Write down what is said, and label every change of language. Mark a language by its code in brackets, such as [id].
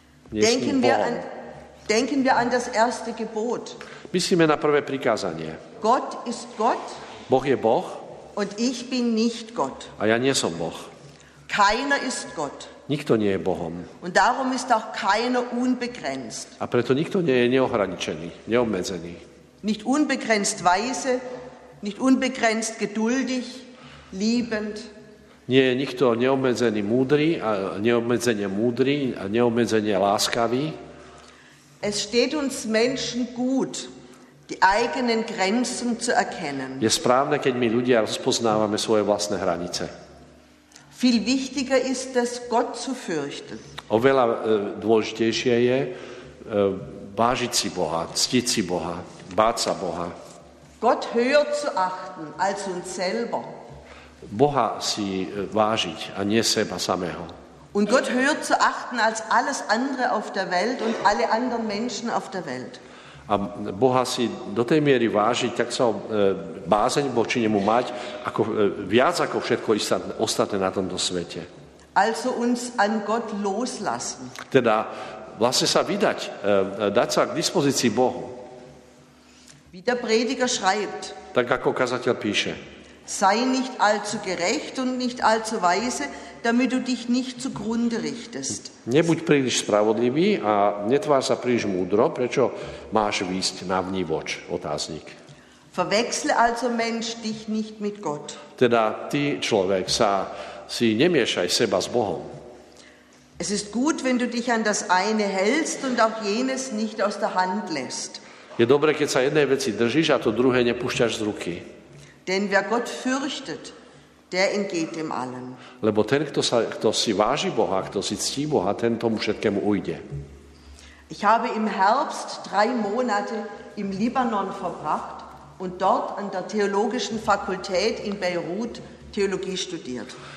[de] Denken wir an das erste Gebot. [sk] Myslíme na prvé prikázanie. [de] Gott ist Gott. [sk] Boh je Boh. [de] Und ich bin nicht Gott. [sk] A ja nie som Boh. [de] Keiner ist Gott. [sk] Nikto nie je Bohom. [de] Und darum ist auch keiner unbegrenzt. [sk] A preto nikto nie je neohraničený, neobmedzený. [de] Nicht unbegrenzt weise, nicht unbegrenzt geduldig, liebend. [sk] Nie je nikto neobmedzený múdry a neobmedzenie múdry a neobmedzenie láskavý. [de] Es steht uns Menschen gut, die eigenen Grenzen zu erkennen. [sk] Je správne, keď my ľudia rozpoznávame svoje vlastné hranice. [de] Viel wichtiger ist es, Gott zu fürchten. [sk] Oveľa dôležitejšie je vážiť si Boha, ctiť si Boha, báť sa Boha. [de] Gott höher zu achten als uns selber. [sk] Boha si vážiť a nie seba samého. [de] Und Gott höher zu achten als alles andere auf der Welt und alle anderen Menschen auf der Welt. [sk] A Boha si do tej miery vážiť, tak sa bázeň voči nemu mať ako, viac ako všetko ostatné na tomto svete. [de] Also uns an Gott loslassen. [sk] Teda vlastne sa vydať, dať sa k dispozícii Bohu. [de] Wie der Prediger schreibt. [sk] Tak ako kazateľ píše. [de] Sei nicht allzu gerecht und nicht allzu weise, damit du dich nicht zugrunde richtest. [sk] Nebuď príliš spravodlivý a netvár sa príliš múdro, prečo máš výsť na vnívoč, otáznik. [de] Verwechsle also Mensch dich nicht mit Gott. [sk] Teda ty, človek, sa si nemiešaj seba s Bohom. [de] Es ist gut, wenn du dich an das eine hältst und auch jenes nicht aus der Hand lässt. [sk] Je dobre, keď sa jednej veci držíš a to druhé nepúšťaš z ruky. [de] Denn wer Gott fürchtet, der entgeht dem allen. [sk] Lebo ten, kto si váži Boha, kto si ctí Boha, ten tomu všetkému ujde. [de] Ich habe im Herbst 3 Monate im Libanon verbracht und dort an der theologischen Fakultät in Beirut Theologie studiert.